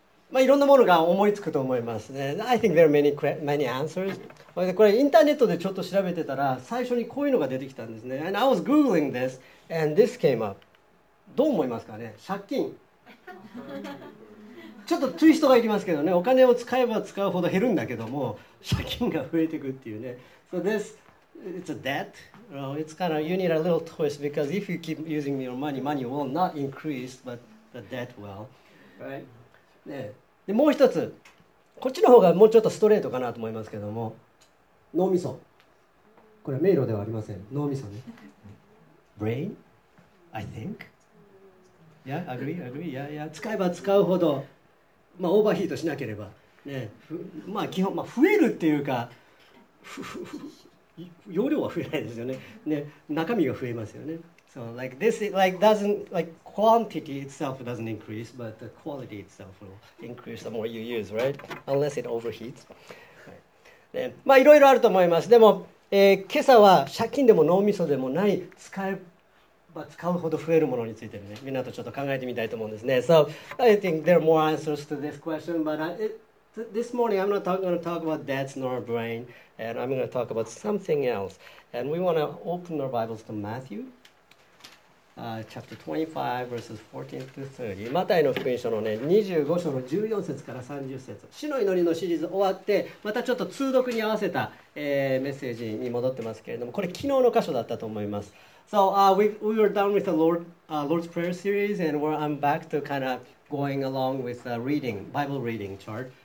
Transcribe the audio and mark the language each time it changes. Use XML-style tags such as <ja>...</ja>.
<ja>まあ、いろんなものが思いつくと思います。</ja> <en>I think there are many answers.</en> <ja>これインターネットでちょっと調べてたら、最初にこういうのが出てきたんですね。</ja> <en>And I was googling this, and this came up.</en> <ja>どう思いますかね？借金。ちょっとツイストがいきますけどね。お金を使えば使うほど減るんだけども、借金が増えていくっていうね。</ja> <en>So this, it's a debt. Well, it's kind of, you need a little twist because if you keep using your money, money will not increase, but the debt will. Right?</en> <ja>ね、でもう一つ、こっちの方がもうちょっとストレートかなと思いますけども、脳みそ、これは迷路ではありません。脳みそね。</ja> <en>Brain, I think. Yeah, agree, agree. Yeah, yeah.</en> <ja>使えば使うほど、まあオーバーヒートしなければ、ね、まあ基本まあ増えるっていうか、容量は増えないですよね。ね、中身が増えますよね。</ja> <en>So like this, like doesn't like. Quantity itself doesn't increase, but the quality itself will increase the more you use, right? Unless it overheats.</en> <ja>ね、まあいろいろあると思います。でも、今朝は借金でも脳みそでもない使えば使うほど増えるものについてね、みんなとちょっと考えてみたいと思うんですね。</ja> <en>So I think there are more answers to this question, but this morning I'm not going to talk about debts nor brain, and I'm going to talk about something else. And we want to open our Bibles to Matthew. Chapter 25, verses 14 to 30.</en> <ja>マタイの福音書のね、25章の14節から30節。主の祈りのシリーズ終わって、またちょっと通読に合わせた、メッセージに戻ってますけれども、これ昨日の箇所だったと思います。</ja> <en>So, we were done with the Lord's Prayer series, and I'm back to kind of going along with the reading, Bible reading chart.</en>